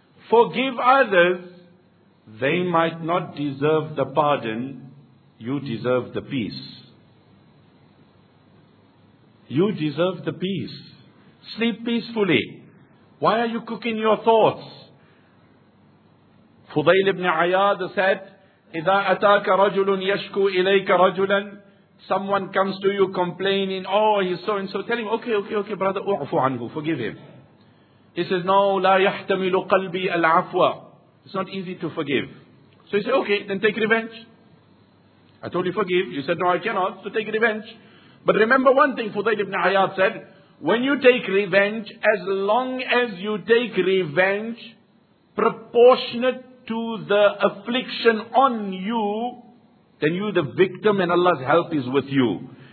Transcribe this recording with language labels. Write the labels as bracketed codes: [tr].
[en] forgive others, they might not deserve the pardon, you deserve the peace. You deserve the peace. Sleep peacefully. Why are you cooking your thoughts? Fudayl ibn Ayyad said, [ar] إِذَا أَتَاكَ رَجُلٌ يَشْكُو إِلَيْكَ رَجُلًا. [en] Someone comes to you complaining, oh, he's so and so. Tell him, okay, brother, [ar] u'fu anhu, [en] forgive him. He says, no, [ar] لا يحتمل قلبي العفو. [en] It's not easy to forgive. So he said, okay, then take revenge. I told you forgive. You said, no, I cannot. So take revenge. But remember one thing Fudayl ibn Ayyad said, when you take revenge, as long as you take revenge proportionate to the affliction on you, then you the victim and Allah's help is with you.